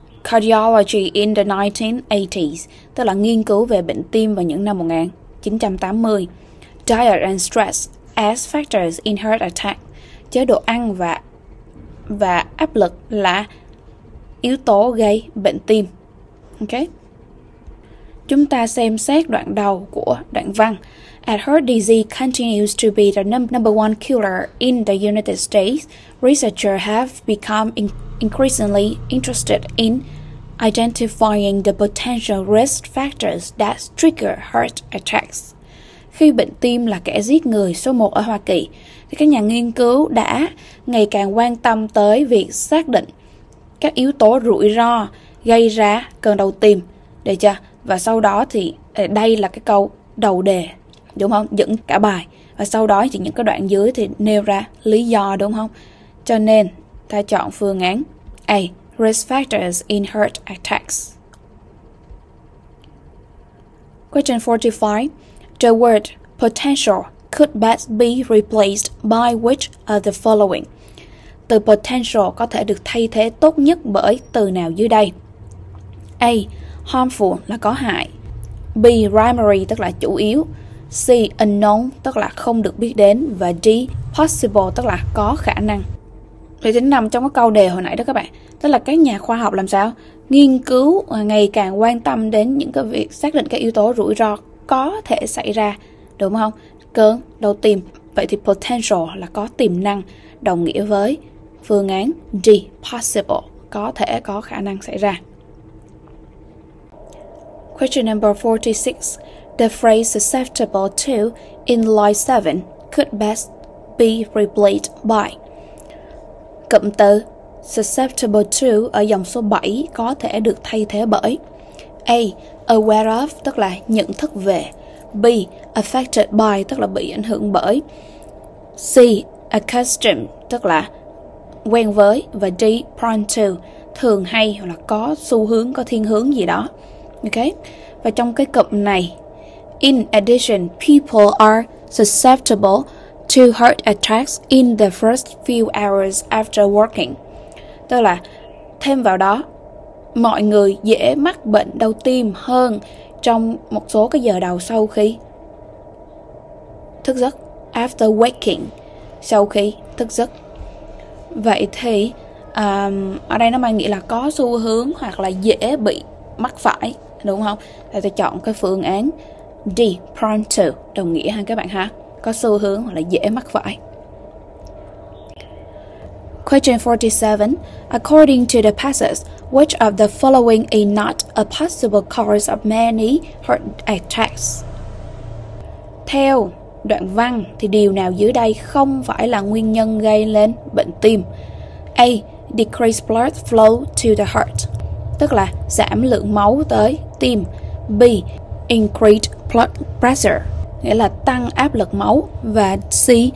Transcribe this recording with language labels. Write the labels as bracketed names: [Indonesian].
[English] Cardiology in the 1980s, [Vietnamese] tức là nghiên cứu về bệnh tim vào những năm 1980. [English] Diet and stress as factors in heart attack, [Vietnamese] chế độ ăn và áp lực là yếu tố gây bệnh tim. Ok, chúng ta xem xét đoạn đầu của đoạn văn. [English] At heart disease continues to be the number one killer in the United States. Researchers have become increasingly interested in identifying the potential risk factors that trigger heart attacks. [Vietnamese] Khi bệnh tim là kẻ giết người số 1 ở Hoa Kỳ, thì các nhà nghiên cứu đã ngày càng quan tâm tới việc xác định các yếu tố rủi ro gây ra cơn đau tim. Được chưa? Và sau đó thì đây là cái câu đầu đề, đúng không? Dẫn cả bài. Và sau đó thì những cái đoạn dưới thì nêu ra lý do, đúng không? Cho nên ta chọn phương án A, [English] risk factors in heart attacks. Question 45. The word potential could best be replaced by which of the following? [Vietnamese] Từ potential có thể được thay thế tốt nhất bởi từ nào dưới đây? A. Harmful là có hại. B. Primary tức là chủ yếu. C. Unknown tức là không được biết đến. Và D. Possible tức là có khả năng. Thì tính nằm trong cái câu đề hồi nãy đó các bạn. Tức là các nhà khoa học làm sao? Nghiên cứu ngày càng quan tâm đến những cái việc xác định các yếu tố rủi ro có thể xảy ra, đúng không? Cơn đau tim. Vậy thì potential là có tiềm năng, đồng nghĩa với phương án D, possible, có thể có khả năng xảy ra. [English] Question number 46. The phrase susceptible to in line 7 could best be replaced by. [Vietnamese] Cụm từ susceptible to ở dòng số 7 có thể được thay thế bởi A. [English] Aware of, [Vietnamese] tức là nhận thức về. B. [English] Affected by, [Vietnamese] tức là bị ảnh hưởng bởi. C. Accustomed, tức là quen với. Và D. [English] Prone to, [Vietnamese] thường hay hoặc là có xu hướng, có thiên hướng gì đó. Okay. Và trong cái cụm này, [English] in addition, people are susceptible to heart attacks in the first few hours after working. [Vietnamese] Tức là thêm vào đó, mọi người dễ mắc bệnh đau tim hơn trong một số cái giờ đầu sau khi thức giấc. [English] After waking, [Vietnamese] sau khi thức giấc. Vậy thì ở đây nó mang nghĩa là có xu hướng hoặc là dễ bị mắc phải, đúng không? Thì tôi chọn cái phương án D, [English] prone to, [Vietnamese] đồng nghĩa ha các bạn ha, có xu hướng hoặc là dễ mắc phải. [English] Question 47. According to the passage, which of the following is not a possible cause of many heart attacks? [Vietnamese] Theo đoạn văn thì điều nào dưới đây không phải là nguyên nhân gây lên bệnh tim? A. [English] Decreased blood flow to the heart, [Vietnamese] tức là giảm lượng máu tới tim. B. [English] Increased blood pressure, [Vietnamese] nghĩa là tăng áp lực máu. Và C.